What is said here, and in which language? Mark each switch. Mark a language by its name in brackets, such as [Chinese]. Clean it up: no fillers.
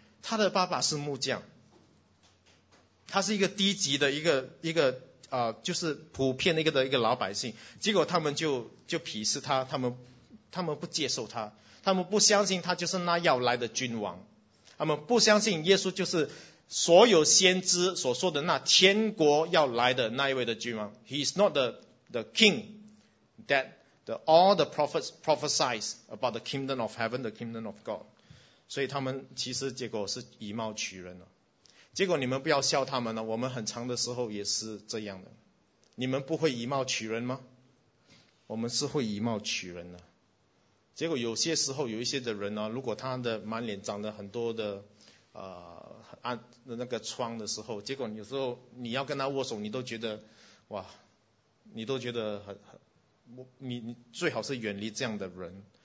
[Chinese] 他的爸爸是木匠，他是一个低级的一个就是普遍的一个老百姓。结果他们就鄙视他，他们不接受他，他们不相信他就是那要来的君王，他们不相信耶稣就是所有先知所说的那天国要来的那一位的君王。 [English] He is not the king that all the prophets prophesies about the kingdom of heaven, the kingdom of God. [Chinese] 所以他们其实结果是以貌取人了。结果你们不要笑他们了，我们很长的时候也是这样的。你们不会以貌取人吗？我们是会以貌取人的。结果有些时候有一些的人呢，如果他的满脸长了很多的那个疮的时候，结果有时候你要跟他握手，你都觉得哇，你都觉得你最好是远离这样的人。